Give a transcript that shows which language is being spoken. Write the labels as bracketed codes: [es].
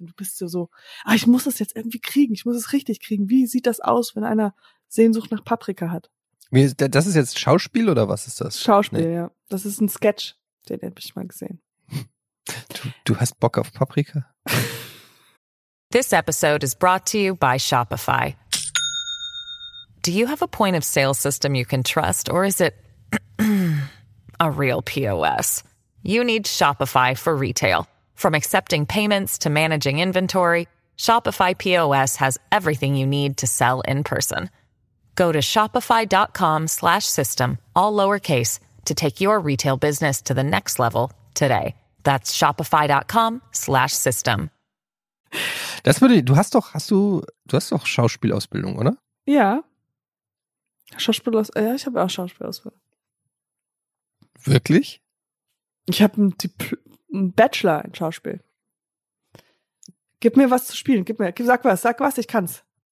[de] Und du bist so, ah, ich muss das jetzt irgendwie kriegen. Ich muss es richtig kriegen. Wie sieht das aus, wenn einer Sehnsucht nach Paprika hat? Das ist jetzt Schauspiel oder was ist das? Schauspiel, ja. Das ist ein Sketch, den habe ich mal gesehen. Du hast Bock auf Paprika? [en] This episode is brought to you by Shopify. Do you have a point of sale system you can trust, or is it a real POS? You need Shopify for retail. From accepting payments to managing inventory, Shopify POS has everything you need to sell in person. Go to shopify.com/system, all lowercase, to take your retail business to the next level today. That's shopify.com/system. [de] Das würde, du hast doch Schauspielausbildung, oder? Ja. Schauspielausbildung, ja, ich habe auch Schauspielausbildung. Wirklich? Ich habe einen Bachelor in Schauspiel. Gib mir was zu spielen, sag was, ich kann's.